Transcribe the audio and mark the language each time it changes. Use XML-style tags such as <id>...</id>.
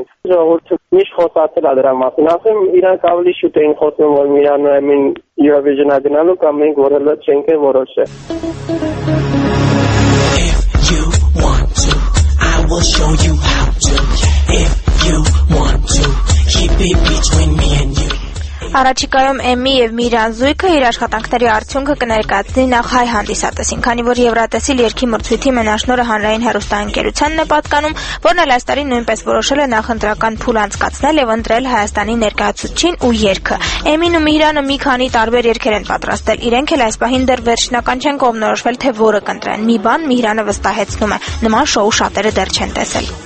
<hy>որ ես Երևանում եմ, Էմի հետ խոսացել ենք դրա մասին, ու մտածել ենք, որ մենք համաձայն ենք ժողովրդի հետ, որ դա շատ լավ այդիա, որ մենք իրար հետ այդ գործը անենք։ Ժողովուրդը միշտ խոսացել է դրա մասին, ասեմ իրանք ավելի շուտ էին խոսում, որ Միրանը ամեն Eurovision-ա գնալու կամ մենք որելը չենք է որոշել։</hy> <en>If you want to, I will show you how to. If you want to, keep it between me and you.</en> <hy>Առաջիկայում Էմի եւ Միրան զույգը իր աշխատանքների արդյունքը կներկայացնի նախ հայ հանդիսատեսին, քանի որ Եվրատեսիլ երկի մրցույթի մենաշնորը հանրային հեռուստաընկերությանն է պատկանում, որն այս տարի նույնպես որոշել է նախընտրական փուլ անցկացնել եւ ընտրել Հայաստանի ներկայացուցչին ու երգը։ Էմին ու Միրանը մի քանի տարբեր երգեր են պատրաստել, իրենք էլ այս պահին դեռ վերջնական չեն կողմնորոշվել, թե որը կընտրեն։ Մի բան Միրանը վստահեցնում է, նման շոու շատերը դեռ չեն տեսել։</hy>